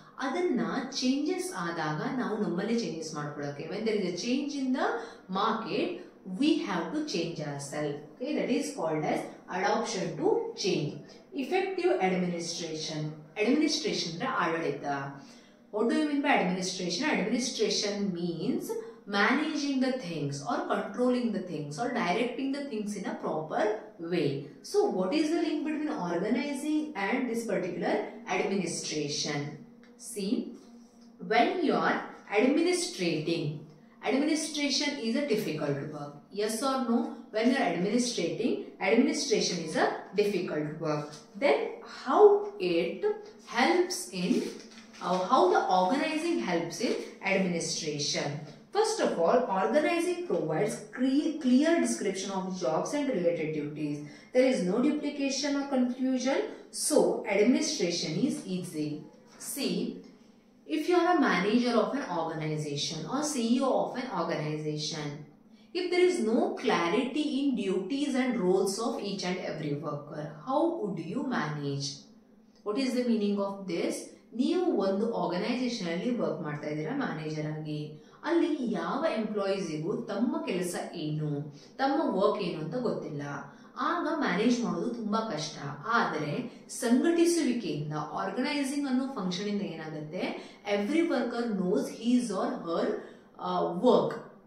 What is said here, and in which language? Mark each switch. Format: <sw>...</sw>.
<kn>ಅದನ್ನ ಚೇಂಜಸ್ ಆದಾಗ ನಾವು ನಮ್ಮಲ್ಲಿ ಚೇಂಜಸ್ ಮಾಡ್ಕೊಳಕ್ಕೆ,</kn> <en>When there is a change in the market, we have to change our self. Okay, that is called as adaptation to change. Effective administration,</en> <kn>administration ಅಂದ್ರೆ ಆಡಳಿತ.</kn> <en>What do you mean by administration? Administration means managing the things or controlling the things or directing the things in a proper way. So what is the link between organizing and this particular administration? See, when you are administrating, administration is a difficult work. Yes or no? When you are administrating, administration is a difficult work. Then how it helps in How the organizing helps in administration. First of all, organizing provides clear description of jobs and related duties. There is no duplication or confusion, so administration is easy. See, if you are a manager of an organization or CEO of an organization, if there is no clarity in duties and roles of each and every worker, how would you manage? What is the meaning of this?</en> <kn>ನೀವು ಒಂದು organisation ಅಲ್ಲಿ work ಮಾಡ್ತಾ ಇದ್ದೀರಾ manager ಆಗಿ. ಅಲ್ಲಿ ಯಾವ ಎಂಪ್ಲಾಯೀಸಿಗೂ ತಮ್ಮ ಕೆಲಸ ಏನು, ತಮ್ಮ ವರ್ಕ್ ಏನು ಅಂತ ಗೊತ್ತಿಲ್ಲ. ಆಗ ಮ್ಯಾನೇಜ್ ಮಾಡೋದು ತುಂಬಾ ಕಷ್ಟ. ಆದರೆ ಸಂಘಟಿಸುವಿಕೆಯಿಂದ, ಆರ್ಗನೈಸಿಂಗ್ ಅನ್ನೋ ಫಂಕ್ಷನ್ ಇಂದ ಏನಾಗುತ್ತೆ,</kn> <en>Every worker knows his or her work.</en>